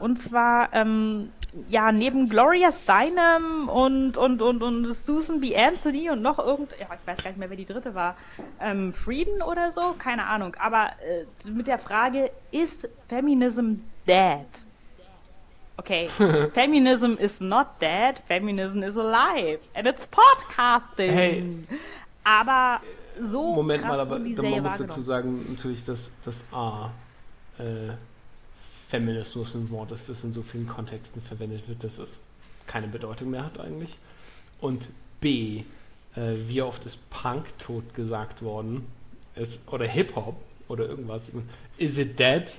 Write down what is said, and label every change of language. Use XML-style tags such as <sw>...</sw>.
<de>Und zwar ja neben Gloria Steinem und Susan B. Anthony und noch irgend... Ja, ich weiß gar nicht mehr, wer die dritte war. Frieden oder so? Keine Ahnung. Aber mit der Frage, ist</de> <en>Feminism dead? Okay, Feminism is not dead, Feminism is alive, and it's podcasting.</en> <de>Hey. Aber so Moment krass mal, aber die Serie, man muss dazu sagen, natürlich, dass das A, Feminismus ein Wort ist, das in so vielen Kontexten verwendet wird, dass es keine Bedeutung mehr hat eigentlich. Und B, wie oft ist Punk tot gesagt worden, ist, oder Hip-Hop oder irgendwas,</de> <en>is it dead?</en>